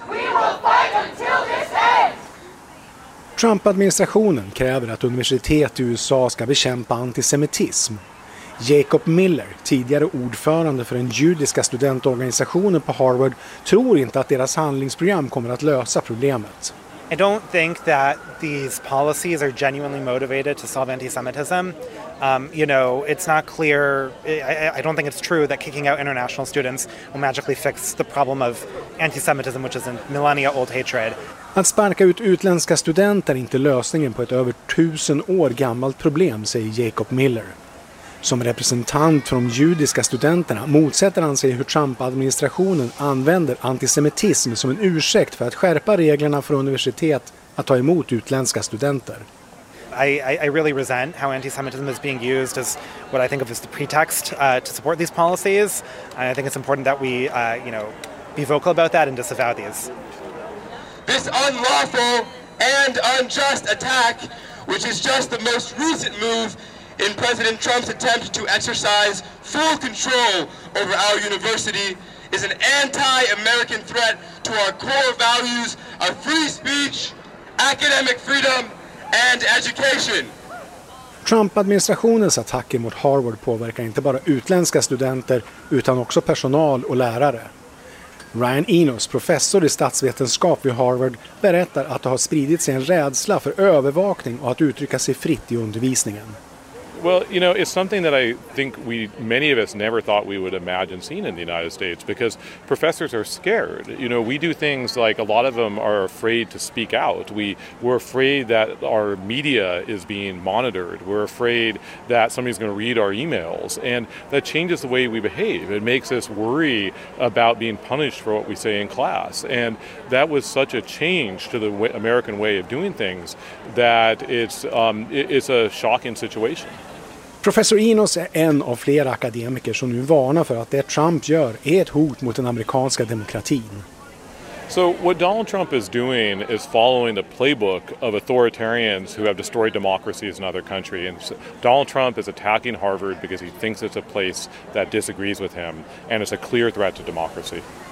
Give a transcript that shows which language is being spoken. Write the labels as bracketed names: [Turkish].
[English] We will fight until this ends! [Swedish] Trump-administrationen kräver att universitet i USA ska bekämpa antisemitism. Jacob Miller, tidigare ordförande för den judiska studentorganisationen på Harvard, tror inte att deras handlingsprogram kommer att lösa problemet. [English] I don't think that these policies are genuinely motivated to solve antisemitism. You know, it's not clear. I don't think it's true that kicking out international students will magically fix the problem of antisemitism, which is a millennia old hatred. [Swedish] Att sparka ut utländska studenter är inte lösningen på ett över 1000 år gammalt problem, säger Jacob Miller. Som representant för de judiska studenterna motsätter han sig hur Trump-administrationen använder antisemitism som en ursäkt för att skärpa reglerna för universitet att ta emot utländska studenter. [English] I really resent how antisemitism is being used as what I think of as the pretext to support these policies. And I think it's important that we be vocal about that and disavow these. This unlawful and unjust attack, which is just the most recent move in President Trump's attempt to exercise full control over our university, is an anti-American threat to our core values of free speech, academic freedom, and education. [Swedish] Trump-administrationens attacker mot Harvard påverkar inte bara utländska studenter utan också personal och lärare. Ryan Enos, professor i statsvetenskap vid Harvard, berättar att det har spridit sig en rädsla för övervakning och att uttrycka sig fritt i undervisningen. [English] Well, it's something that I think many of us never thought we would imagine seeing in the United States, because professors are scared. We do things like a lot of them are afraid to speak out. We're afraid that our media is being monitored. We're afraid that somebody's going to read our emails. And that changes the way we behave. It makes us worry about being punished for what we say in class. And that was such a change to the American way of doing things that it's a shocking situation. [Swedish] Professor Enos är en av flera akademiker som nu varnar för att det Trump gör är ett hot mot den amerikanska demokratin. [English] So what Donald Trump is doing is following the playbook of authoritarians who have destroyed democracies in other countries. And Donald Trump is attacking Harvard because he thinks it's a place that disagrees with him and it's a clear threat to democracy.